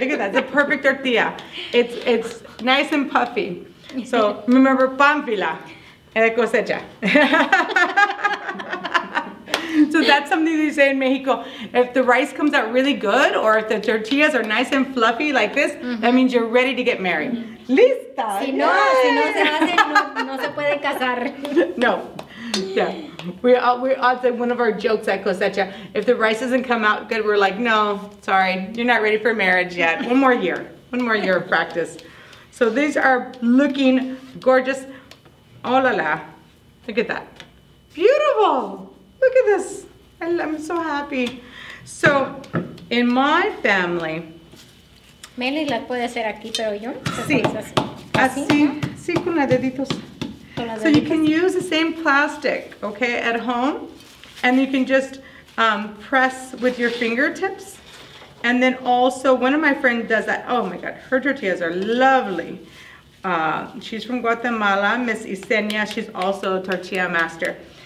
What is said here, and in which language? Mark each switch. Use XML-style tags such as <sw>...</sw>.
<en>Look at that. The perfect tortilla. It's nice and puffy. So remember, Pánfila de Cosecha. So that's something they say in Mexico. If the rice comes out really good, or if the tortillas are nice and fluffy like this, mm-hmm. that means you're ready to get married.</en> <es>Mm-hmm. Lista. Si no, yeah. si no se hace, no se puede casar.</es> <en>No. Yeah. We all say one of our jokes at Cosecha. If the rice doesn't come out good, we're like, no, sorry, you're not ready for marriage yet. One more year of practice. So these are looking gorgeous. Oh la la. Look at that. Beautiful. Look at this. I'm so happy. So, in my family.</en> <es>Meli las puede hacer aquí, pero yo. Sí. Así. Sí, con las deditos.</es> <en>So you can use the same plastic, okay, at home. And you can just press with your fingertips. And then also, one of my friends does that. Oh my God, her tortillas are lovely. She's from Guatemala, Miss Isenia. She's also a tortilla master.</en>